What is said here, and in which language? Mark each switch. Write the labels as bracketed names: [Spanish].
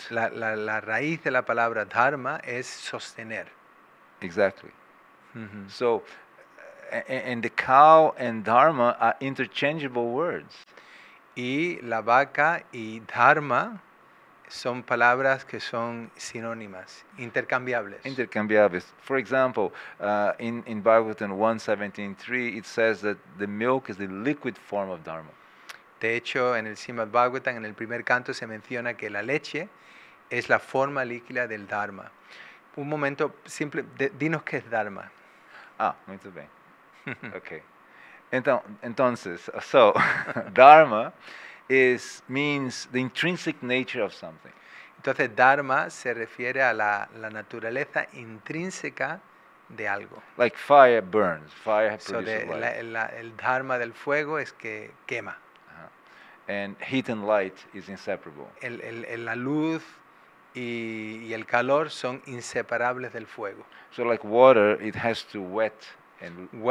[Spanish] La raíz de la palabra dharma es sostener. [English] Exactly. Mm-hmm. So, and the cow and dharma are interchangeable words. [Spanish] Y la vaca y dharma son palabras que son sinónimas, intercambiables. Intercambiables. [English] For example, in Bhagavatam 1.17.3, it says that the milk is the liquid form of dharma. [Spanish] De hecho, en el Srimad Bhagavatam, en el primer canto, se menciona que la leche es la forma líquida del Dharma. Un momento, simple, dinos qué es Dharma. Ah, muy bien. Ok. Entonces, [English] so, Dharma means the intrinsic nature of something. [Spanish] Entonces, Dharma se refiere a la naturaleza intrínseca de algo. [English] Like fire burns, fire produces so life. [Spanish] El Dharma del fuego es que quema. [English] And heat and light is inseparable. [Spanish] La luz y el calor son inseparables del fuego. [English] So like water, it has to wet and